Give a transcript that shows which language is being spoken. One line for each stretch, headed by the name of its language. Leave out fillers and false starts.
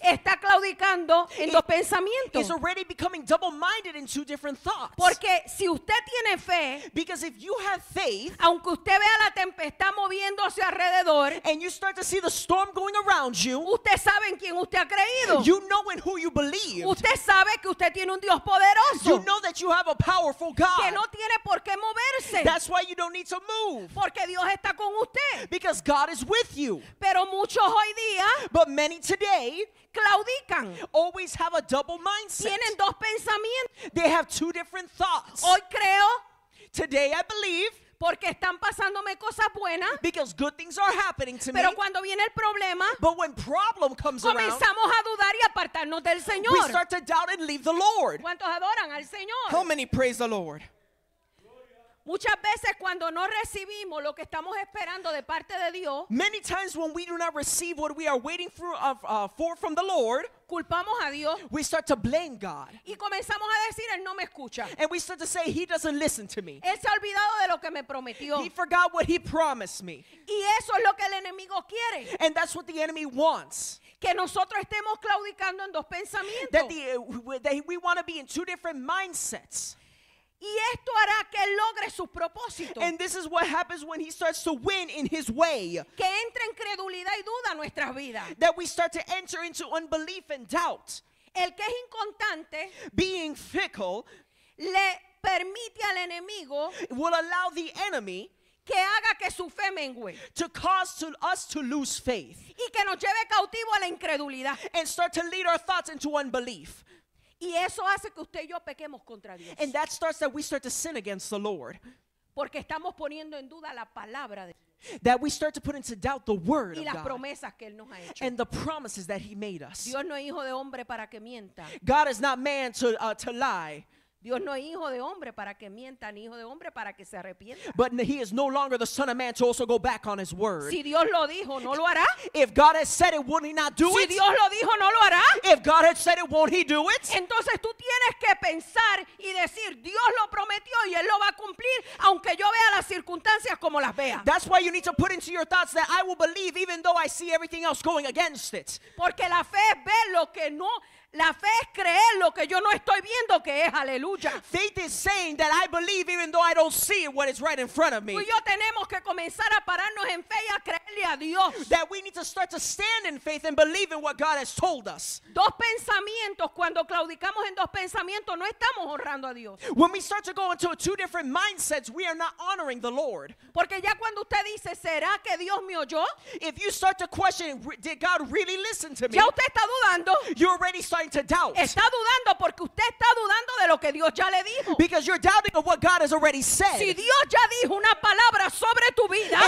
Spanish: está claudicando en dos pensamientos,
English: is already becoming double-minded in two different thoughts.
Spanish: Porque si usted tiene fe,
English: because if you have faith,
Spanish: aunque usted vea la tempestad moviéndose alrededor,
English: and you start to see the storm going around you,
Spanish: usted sabe en quién usted ha creído,
English: you know in who you believe,
Spanish: usted sabe que usted tiene un Dios poderoso,
English: you know that you have a powerful God,
Spanish: que no tiene por qué moverse.
English: That's why you don't need to move,
Spanish: porque Dios está con usted,
English: because God is with you.
Spanish: Pero muchos hoy día,
English: but many today,
Spanish: claudican,
English: always have a double mindset,
Spanish: tienen dos pensamientos,
English: they have two different thoughts.
Spanish: Hoy creo,
English: today I believe,
Spanish: porque están pasándome cosas buenas,
English: because good things are happening to me.
Spanish: Pero cuando viene el problema,
English: but when problem comes
Spanish: comenzamos
English: around,
Spanish: a dudar y apartarnos del Señor,
English: we start to doubt and leave the Lord.
Spanish: ¿Cuántos adoran al Señor?
English: How many praise the Lord?
Spanish: Muchas veces cuando no recibimos lo que estamos esperando de parte de Dios,
English: many times when we do not receive what we are waiting for from the Lord,
Spanish: culpamos a Dios,
English: we start to blame God,
Spanish: y comenzamos a decir, él no me escucha,
English: and we start to say he doesn't listen to me,
Spanish: él se ha olvidado de lo que me prometió,
English: he forgot what he promised me,
Spanish: y eso es lo que el enemigo quiere,
English: and that's what the enemy wants,
Spanish: que nosotros estemos claudicando en dos pensamientos,
English: that we want to be in two different mindsets.
Spanish: Y esto hará que él logre sus propósitos.
English: And this is what happens when he starts to win in his way.
Spanish: Que entre en credulidad y duda nuestras vidas.
English: That we start to enter into unbelief and doubt.
Spanish: El que es inconstante,
English: being fickle,
Spanish: le permite al enemigo,
English: will allow the enemy,
Spanish: que haga que su fe mengue,
English: to cause to us to lose faith,
Spanish: y que nos lleve cautivo a la incredulidad,
English: and start to lead our thoughts into unbelief.
Spanish: Y eso hace que usted y yo pequemos contra Dios.
English: And that starts that we start to sin against the Lord.
Spanish: Porque estamos poniendo en duda la palabra de Dios.
English: That we start to put into doubt the word
Spanish: y las
English: of God.
Spanish: Promesas que él nos ha hecho.
English: And the promises that he made us.
Spanish: Dios no es hijo de hombre para que mienta.
English: God is not man to lie.
Spanish: Dios no es hijo de hombre para que mienta, ni hijo de hombre para que se arrepienta.
English: But he is no longer the son of man to also go back on his word.
Spanish: Si Dios lo dijo, ¿no lo hará?
English: If God has said it, won't he not do
Spanish: si
English: it?
Spanish: Si Dios lo dijo, ¿no lo hará?
English: If God has said it, won't he do it?
Spanish: Entonces tú tienes que pensar y decir, Dios lo prometió y él lo va a cumplir, aunque yo vea las circunstancias como las vea.
English: That's why you need to put into your thoughts that I will believe even though I see everything else going against it.
Spanish: Porque la fe es ver lo que no... La fe es creer lo que yo no estoy viendo que es, aleluya.
English: Faith is saying that I believe even though I don't see what is right in front of me.
Spanish: Tú y yo tenemos que comenzar a pararnos en fe y a creerle a Dios.
English: That we need to start to stand in faith and believe in what God has told us.
Spanish: Dos pensamientos, cuando claudicamos en dos pensamientos, no estamos honrando a Dios.
English: When we start to go into two different mindsets, we are not honoring the Lord.
Spanish: Porque ya cuando usted dice, ¿será que Dios me oyó?
English: If you start to question, did God really listen to me?
Spanish: Ya usted está dudando.
English: You already starting to doubt.
Spanish: Está dudando porque usted está dudando de lo que Dios Dios ya le dijo.
English: Because you're doubting of what God has already said.
Spanish: Si Dios ya dijo una palabra sobre tu vida,